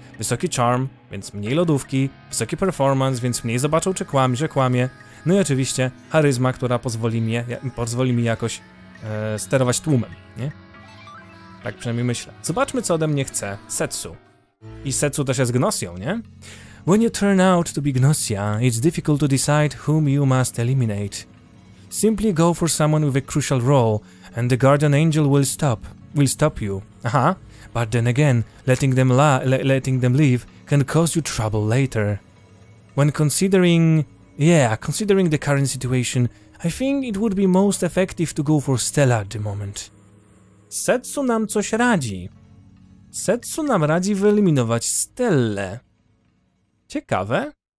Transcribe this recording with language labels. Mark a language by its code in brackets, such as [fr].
[pl] Wysoki charm, więc mniej lodówki, wysoki performance, więc mniej zobaczą, czy kłamie, że kłamie. No i oczywiście charyzma, która pozwoli mi jakoś sterować tłumem, nie? Tak przynajmniej myślę. Zobaczmy, co ode mnie chce Setsu. I Setsu też jest Gnosją, nie? [en] When you turn out to be Gnosia, it's difficult to decide whom you must eliminate. Simply go for someone with a crucial role, and the guardian angel will stop you. Aha. But then again, letting them leave can cause you trouble later. When considering the current situation, I think it would be most effective to go for Stella at the moment. [pl] Setsu nam coś radzi. Setsu nam radzi wyeliminować Stellę. Ciekawe.